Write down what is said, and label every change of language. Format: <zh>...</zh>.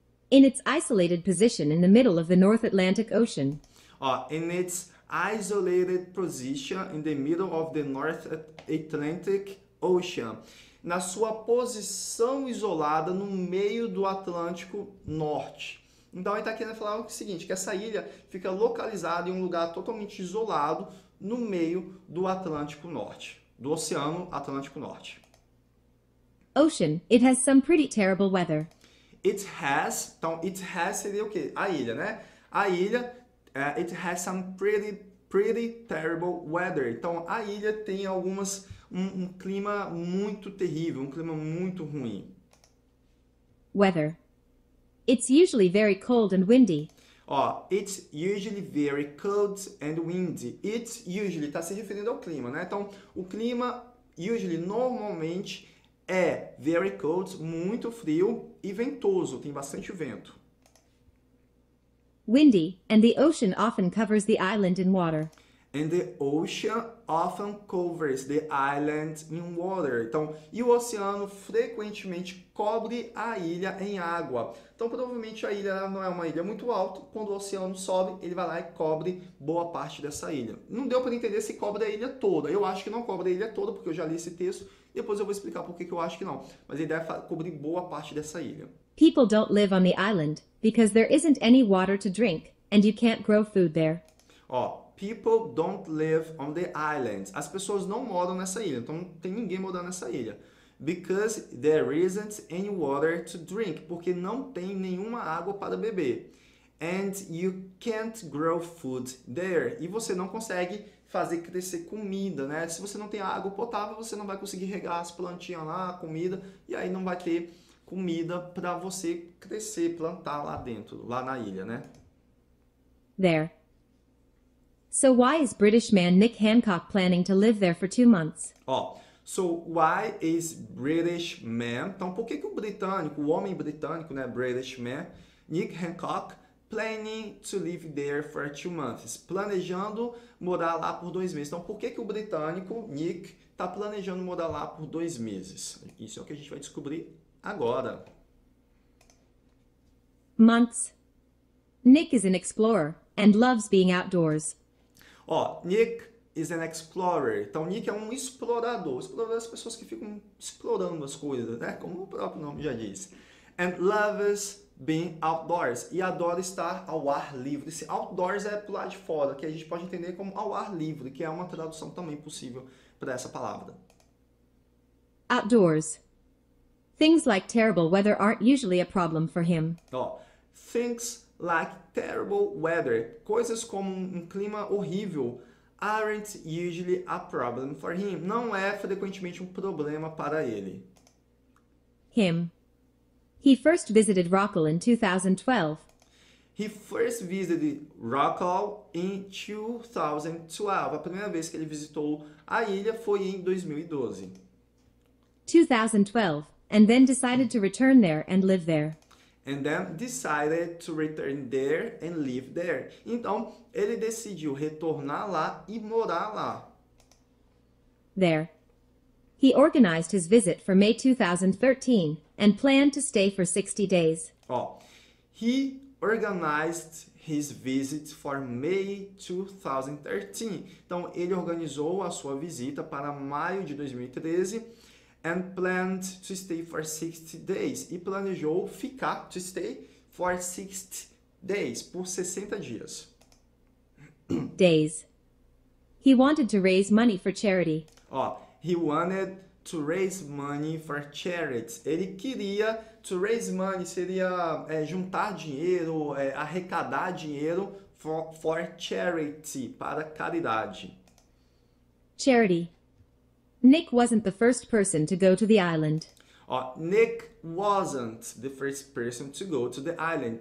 <en>In its isolated position in the middle of the North Atlantic Ocean. Ó, in its isolated position in the middle of the North Atlantic Ocean.</en> <pt>Na sua posição isolada no meio do Atlântico Norte. Então, ele está querendo falar o seguinte, que essa ilha fica localizada em um lugar totalmente isolado no meio do Atlântico Norte, do Oceano Atlântico Norte.</pt> <en>Ocean, it has some pretty terrible weather. It has, então, it has</en> <pt>seria o quê? A ilha, né? A ilha,</pt> <en>it has some pretty terrible weather.</en> <pt>Então, a ilha tem algumas... Um clima muito terrível, um clima muito ruim.</pt> <en>Weather. It's usually very cold and windy. Ó, it's usually very cold and windy. It's usually,</en> <pt>tá se referindo ao clima, né? Então, o clima, usually, normalmente, é</pt> <en>very cold,</en> <pt>muito frio e ventoso, tem bastante vento.</pt> <en>Windy, and the ocean often covers the island in water. And the ocean often covers the island in water.</en> <pt>Então, e o oceano frequentemente cobre a ilha em água. Então, provavelmente a ilha não é uma ilha muito alta. Quando o oceano sobe, ele vai lá e cobre boa parte dessa ilha. Não deu para entender se cobre a ilha toda. Eu acho que não cobre a ilha toda, porque eu já li esse texto. Depois eu vou explicar por que eu acho que não. Mas ele deve cobrir boa parte dessa ilha.</pt> <en>People don't live on the island because there isn't any water to drink and you can't grow food there. Ó, people don't live on the island.</en> <pt>As pessoas não moram nessa ilha, então não tem ninguém morando nessa ilha.</pt> <en>Because there isn't any water to drink.</en> <pt>Porque não tem nenhuma água para beber.</pt> <en>And you can't grow food there.</en> <pt>E você não consegue fazer crescer comida, né? Se você não tem água potável, você não vai conseguir regar as plantinhas lá, a comida, e aí não vai ter comida para você crescer, plantar lá dentro, lá na ilha, né?</pt> <en>There. So why is British man Nick Hancock planning to live there for 2 months? So why is British man?</en> <pt>Então por que que o britânico, o homem britânico, né,</pt> <en>British man, Nick Hancock planning to live there for 2 months?</en> <pt>Planejando morar lá por 2 meses. Então por que que o britânico Nick tá planejando morar lá por 2 meses? Isso é o que a gente vai descobrir agora.</pt> <en>Months. Nick is an explorer and loves being outdoors. Nick is an explorer.</en> <pt>Então, Nick é um explorador. Explorador é as pessoas que ficam explorando as coisas, né? Como o próprio nome já diz.</pt> <en>And loves being outdoors.</en> <pt>E adora estar ao ar livre. Esse outdoors é pular de fora, que a gente pode entender como ao ar livre, que é uma tradução também possível para essa palavra.</pt> <en>Outdoors. Things like terrible weather aren't usually a problem for him. Things like terrible weather,</en> <pt>coisas como um clima horrível,</pt> <en>aren't usually a problem for him.</en> <pt>Não é frequentemente um problema para ele.</pt> <en>Him. He first visited Rockall in 2012. He first visited Rockall in 2012.</en> <pt>A primeira vez que ele visitou a ilha foi em 2012.</pt> <en>2012, and then decided to return there and live there. And then decided to return there and live there.</en> <pt>Então, ele decidiu retornar lá e morar lá.</pt> <en>There. He organized his visit for May 2013 and planned to stay for 60 days. He organized his visit for May 2013.</en> <pt>Então, ele organizou a sua visita para maio de 2013.</pt> <en>And planned to stay for 60 days.</en> <pt>E planejou ficar,</pt> <en>to stay, for 60 days,</en> <pt>por 60 dias.</pt> <en>Days. He wanted to raise money for charity. He wanted to raise money for charity.</en> <pt>Ele queria,</pt> <en>to raise money,</en> <pt>seria juntar dinheiro, arrecadar dinheiro,</pt> <en>for charity,</en> <pt>para caridade.</pt> <en>Charity. Nick wasn't the first person to go to the island. Nick wasn't the first person to go to the island.</en>